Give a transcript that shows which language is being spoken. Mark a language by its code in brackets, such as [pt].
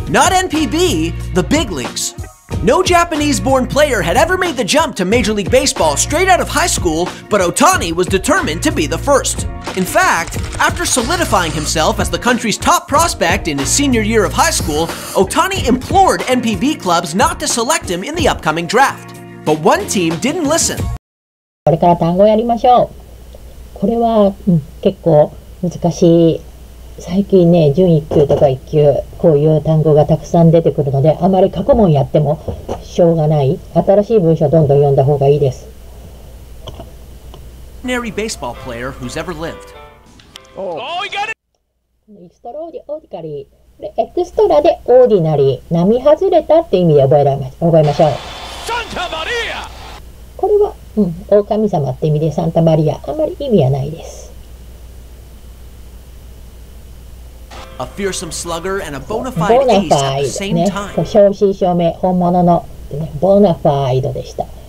[en] Not NPB, the big leagues. No Japanese-born player had ever made the jump to Major League Baseball straight out of high school, but Ohtani was determined to be the first. In fact, after solidifying himself as the country's top prospect in his senior year of high school, Ohtani implored NPB clubs not to select him in the upcoming draft. But one team didn't listen. [ja] これから単語やりましょう。これは、結構難しい。最近ね、準1級とか1級、こういう単語がたくさん出てくるので、あまり過去問やってもしょうがない。新しい文章をどんどん読んだ方がいいです。 [en] Ordinary baseball player who's ever lived. Oh, he got it! Extraordinary. [ja] で、エクストラでオーディナリー。並外れたって意味で覚えましょう。 Santa Maria! これは、狼様って意味で、サンタマリア。あまり意味はないです。 [en] A fearsome slugger and a bona fide ace at the same time. [ja] 正真正銘本物の、ね、ボナファイドでした。